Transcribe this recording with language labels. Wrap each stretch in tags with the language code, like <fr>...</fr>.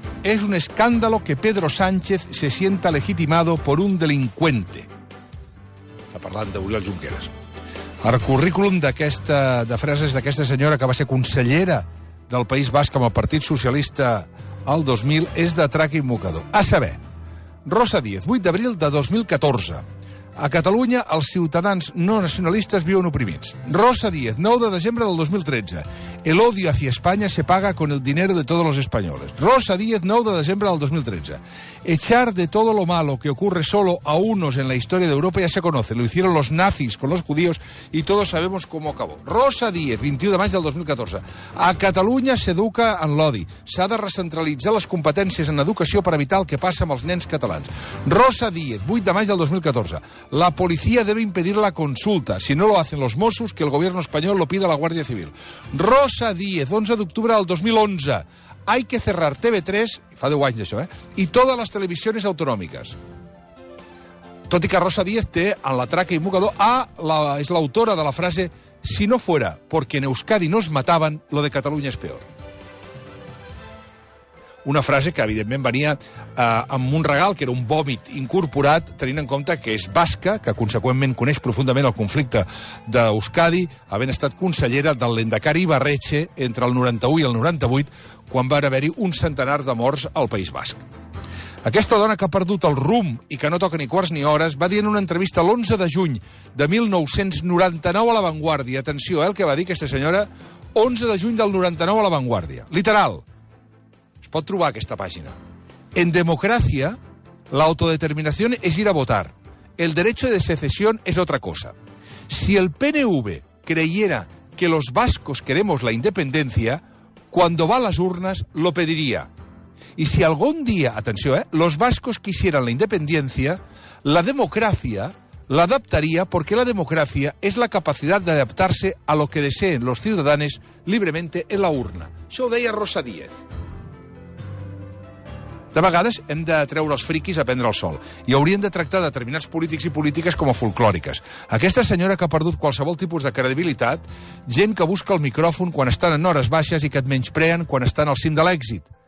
<es>És un escándalo que Pedro Sánchez se sienta legitimado por un delincuente.</es> <ca>Està parlant d'Oriol Junqueras. El currículum de frases d'aquesta senyora que va ser consellera del País Basc amb el Partit Socialista al 2000 és de traca i mocador. A saber, Rosa Díez, 8 d'abril de 2014. A Catalunya, els ciutadans no nacionalistes viuen oprimits. Rosa Díez, 9 de desembre del 2013.</ca> <es>El odio hacia España se paga con el dinero de todos los españoles. Rosa Díez, 9 de desembre del 2013. Echar de todo lo malo que ocurre solo a unos en la historia de Europa ya se conoce. Lo hicieron los nazis con los judíos y todos sabemos cómo acabó.</es> <ca>Rosa Díez, 21 de maig del 2014. A Catalunya s'educa en l'odi. S'ha de recentralitzar les competències en educació per evitar el que passa amb els nens catalans. Rosa Díez, 8 de maig del 2014.</ca> <es>La policía debe impedir la consulta. Si no lo hacen los Mossos, que el gobierno español lo pida a la Guardia Civil. Rosa Díez, 11 de octubre del 2011. Hay que cerrar TV3,</es> <ca>fa 10 anys d'això,</ca> <es>i totes les televisions autonòmiques.</es> <ca>Tot i que Rosa Díez té, en la traca i mocador, és l'autora de la frase</ca> <es>«Si no fuera porque en Euskadi nos mataban, lo de Catalunya es peor».</es> <ca>Una frase que, evidentment, venia amb un regal, que era un vòmit incorporat, tenint en compte que és basca, que, conseqüentment, coneix profundament el conflicte d'Euskadi, havent estat consellera del Lendakari Ibarretxe entre el 91 i el 98, quan va haver-hi un centenar de morts al País Basc. Aquesta dona que ha perdut el rumb i que no toca ni quarts ni hores va dir en una entrevista l'11 de juny de 1999 a La Vanguardia, atenció, el que va dir aquesta senyora, 11 de juny del 99 a La Vanguardia, literal. Pot trobar aquesta pàgina. En democràcia, l'autodeterminació és</ca> <es>ir a votar. El derecho de secessió és otra cosa. Si el PNV creyera que los vascos queremos la independencia, cuando va a las urnas, lo pediría. Y si algún día, atenció, los vascos quisieran la independencia, la democracia la adaptaría porque la democracia es la capacidad de adaptarse a lo que deseen los ciudadanos libremente en la urna.</es> <ca>Això ho deia Rosa Díez. De vegades hem de treure els friquis a prendre el sol i hauríem de tractar determinats polítics i polítiques com a folklòriques. Aquesta senyora que ha perdut qualsevol tipus de credibilitat, gent que busca el micròfon quan estan en hores baixes i que et menyspreen quan estan al cim de l'èxit.</ca>